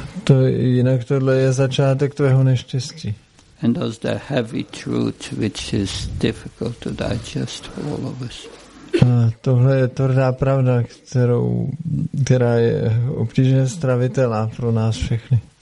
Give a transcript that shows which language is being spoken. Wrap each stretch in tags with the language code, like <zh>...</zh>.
<cs>To jinak tohle je začátek tvého neštěstí.</cs> <en>And that's the heavy truth which is difficult to digest for all of us.</en> <cs>A tohle je tvrdá pravda, která je obtížně stravitelná pro nás všechny.</cs>